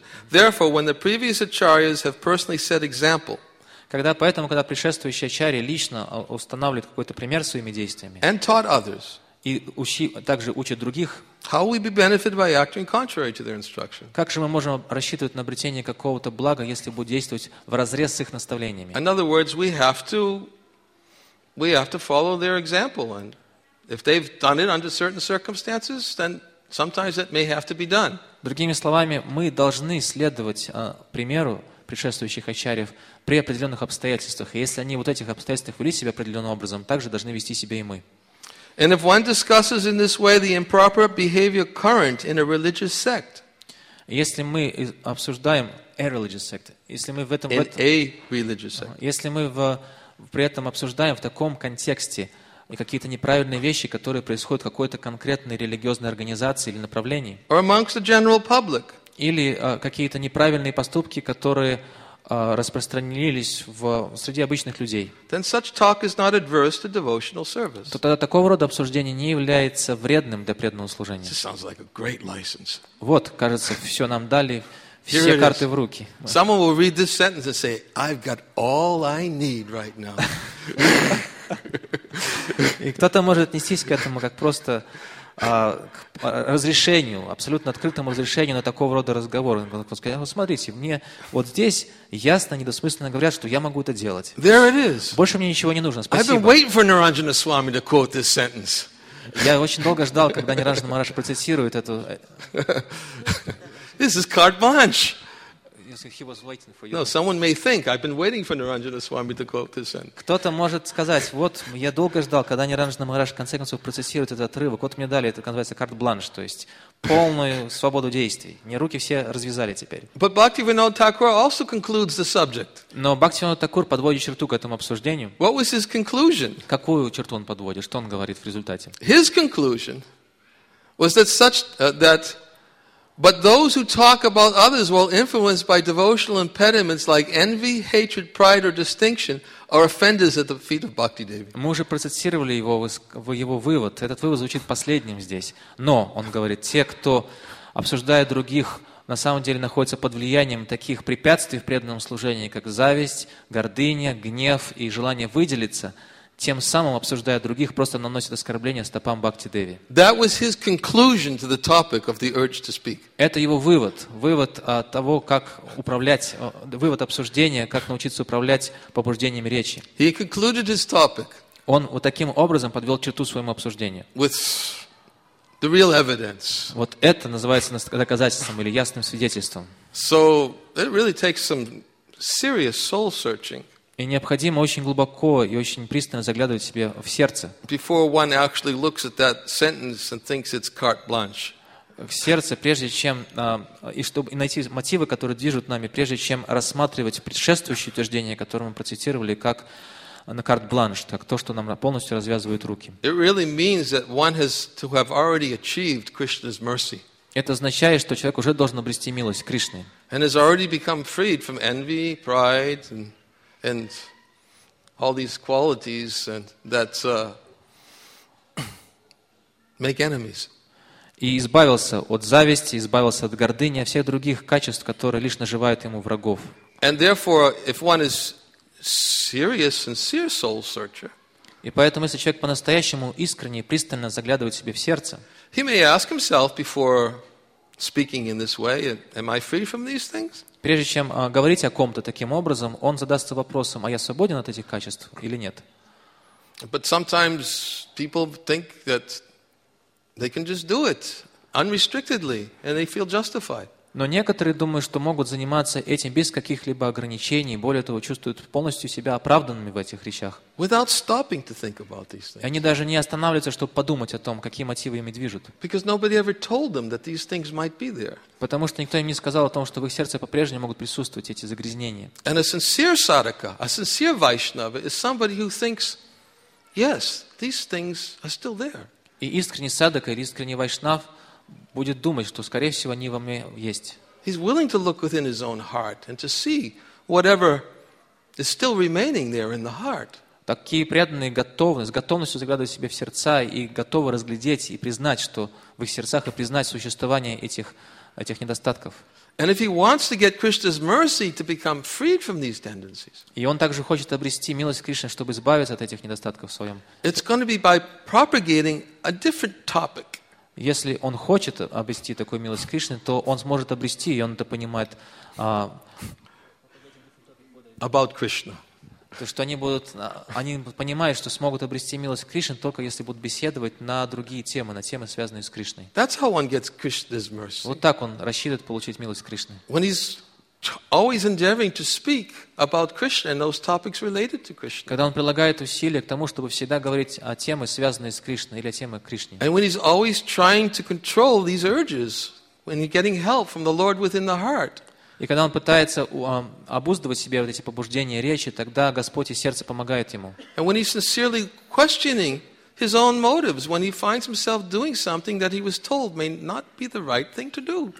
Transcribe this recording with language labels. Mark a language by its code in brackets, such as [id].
[en] Therefore, when the previous acharyas have personally set example, [ru] когда предшествующие ачарьи лично устанавливают какой-то пример своими действиями [en] and taught others, [ru] и также учат других, [en] how will we be benefited by acting contrary to their instruction? [ru] Как же мы можем рассчитывать на обретение какого-то блага, если будем действовать вразрез с их наставлениями? [en] In other words, we have to follow their example, and if they've done it under certain circumstances, then sometimes it may have to be done. [ru] Другими словами, мы должны следовать примеру предшествующих ачарьев при определенных обстоятельствах. И если они в вот этих обстоятельствах вели себя определенным образом, так же должны вести себя и мы. [en] And if one discusses in this way the improper behavior current in a religious sect, [ru] если мы обсуждаем [en] a religious sect, [ru] если мы в этом, если мы при этом обсуждаем в таком контексте и какие-то неправильные вещи, которые происходят в какой-то конкретной религиозной организации или направлении, [en] or amongst the general public, [ru] или какие-то неправильные поступки, которые распространились в среди обычных людей, [en] then such talk is not adverse to devotional service. [ru] То тогда такого рода обсуждение не является вредным для преданного служения. [en] This sounds like a great license. [ru] Вот, кажется, все нам дали, все [en] Here [ru] карты в руки. [en] Someone will read this sentence and say, I've got all I need right now. [ru] И кто-то может отнестись к этому как просто к разрешению, абсолютно открытому разрешению на такого рода разговоры. Он сказал, вот смотрите, мне вот здесь ясно, недосмысленно говорят, что я могу это делать. [en] There it is. [ru] Больше мне ничего не нужно, спасибо. [en] I've been waiting for Niranjana Swami to quote this sentence. [ru] Я очень долго ждал, когда Ниранджана Махарадж процитирует эту... [en] This is carte blanche. He was waiting for you. No, someone may think I've been waiting for Niranjana Swami to quote this sentence. [ru] Кто-то может сказать, вот я долго ждал, когда Ниранджана Махарадж в конце концов процессирует этот отрывок. Вот мне дали это, называется carte blanche, то есть полную свободу действий. Мне руки все развязали теперь. [en] But Bhaktivinoda Thakur also concludes the subject. [ru] Но Бхактивинода Тхакур подводит черту к этому обсуждению. [en] What was his conclusion? [ru] Какую черту он подводит? Что он говорит в результате? [en] His conclusion was that such that But those who talk about others while influenced by devotional impediments like envy, hatred, pride, or distinction are offenders at the feet of Bhakti Devi. [ru] Мы уже процитировали его вывод. Этот вывод звучит последним здесь. Но, он говорит, те, кто обсуждает других, на самом деле находятся под влиянием таких препятствий в преданном служении, как зависть, гордыня, гнев и желание выделиться, тем самым обсуждая других, просто наносит оскорбление стопам Бхакти Деви. [en] That was his conclusion to the topic of the urge to speak. [ru] Это его вывод. Вывод того, как управлять, вывод обсуждения, как научиться управлять побуждениями речи. [en] He concluded his topic. [ru] Он вот таким образом подвел черту своему обсуждению. [en] With the real evidence. [ru] Вот это называется доказательством или ясным свидетельством. [en] So it really takes some serious soul searching. [ru] И необходимо очень глубоко и очень пристально заглядывать себе в сердце. [en] Before one actually looks at that sentence and thinks it's carte blanche. [ru] В сердце, прежде чем и чтобы найти мотивы, которые движут нами, прежде чем рассматривать предшествующие утверждения, которые мы процитировали, как на carte blanche, как то, что нам полностью развязывает руки. [en] It really means that one has to have already achieved Krishna's mercy. [ru] Это означает, что человек уже должен обрести милость Кришны. [en] And has already become freed from envy, pride, and all these qualities and that make enemies. [ru] И избавился от зависти, избавился от гордыни, от всех других качеств, которые лишь наживают ему врагов. [en] And therefore, if one is serious, sincere soul searcher, [ru] И поэтому, если человек по-настоящему искренне и пристально заглядывает себе в сердце, [en] he may ask himself before speaking in this way, am I free from these things? [ru] Прежде чем говорить о ком-то таким образом, он задастся вопросом, а я свободен от этих качеств или нет? [en] But sometimes people think that they can just do it unrestrictedly and they feel justified. [ru] Но некоторые думают, что могут заниматься этим без каких-либо ограничений, более того, чувствуют полностью себя оправданными в этих вещах. [en] Without stopping to think about these things. [ru] Они даже не останавливаются, чтобы подумать о том, какие мотивы ими движут. [en] Because nobody ever told them that these things might be there. [ru] Потому что никто им не сказал о том, что в их сердце по-прежнему могут присутствовать эти загрязнения. [en] And a sincere sadhaka, a sincere Vaishnava is somebody who thinks, yes, these things are still there. [ru] И искренний садака или искренний вайшнав будет думать, что, скорее всего, они во мне есть. [en] He's willing to look within his own heart and to see whatever is still remaining there in the heart. [ru] Такие преданные готовы, с готовностью заглядывать себе в сердца и готовы разглядеть и признать, что в их сердцах, и признать существование этих недостатков. [en] And if he wants to get Krishna's mercy to become freed from these tendencies, [ru] и он также хочет обрести милость Кришны, чтобы избавиться от этих недостатков в своем. [en] It's going to be by propagating a different topic. [ru] Если он хочет обрести такую милость Кришны, то он сможет обрести, и он это понимает, [en] about Krishna. [ru] То, что они понимают, что смогут обрести милость Кришны, только если будут беседовать на другие темы, на темы, связанные с Кришной. [en] That's how one gets Krishna's mercy. [ru] Вот так он рассчитывает получить милость Кришны. [en] When he's always endeavoring to speak about Krishna and those topics related to Krishna. [ru] Когда он прилагает усилия к тому, чтобы всегда говорить о темы, связанные с Кришной или о теме Кришны. [en] And when he's always trying to control these urges, when he's getting help from the Lord within the heart. [ru] И когда он пытается обуздывать себе вот эти побуждения речи, тогда Господь из сердца помогает ему. [en] And when he's sincerely questioning his own motives when he finds himself doing something that he was told may not be the right thing to do.